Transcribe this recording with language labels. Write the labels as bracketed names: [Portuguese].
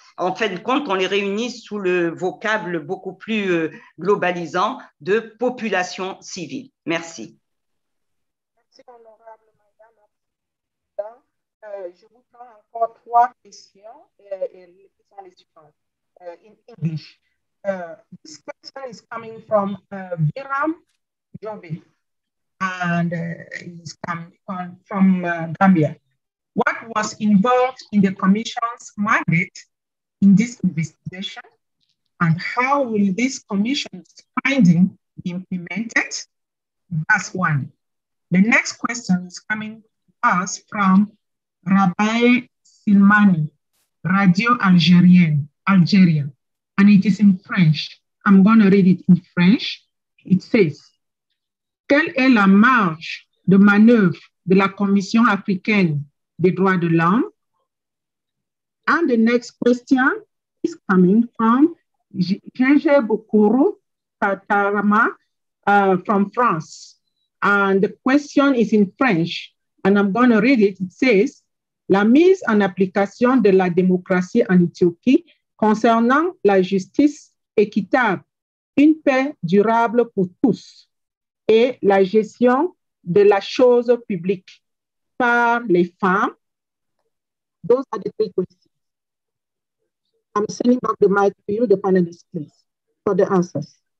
[French] En fin de compte, on les réunit sous le vocable beaucoup plus globalisant de population civile. Merci. Merci, honorable madame. Je vous prends encore trois questions et les questions suivantes. [English] In English, this question is coming from Viram Jobe, and he's coming from Gambia. What was involved in the commission's mandate in this investigation, and how will this commission's finding be implemented? That's one. The next question is coming to us from Rabai Silmani, Radio Algérienne. Algeria, and it is in French. I'm going to read it in French. It says, [French] quelle est la marge de manœuvre de la Commission africaine des droits de l'homme? [English] And the next question is coming from Jean-Jean Bukuru Katarama from France. And the question is in French, and I'm going to read it. It says, [French] la mise en application de la démocratie en Éthiopie concernant la justice équitable, une paix durable pour tous et la gestion de la chose publique par les femmes. [English] Those are the three questions. I'm sending back the mic to you, the panelists, please, for the answers.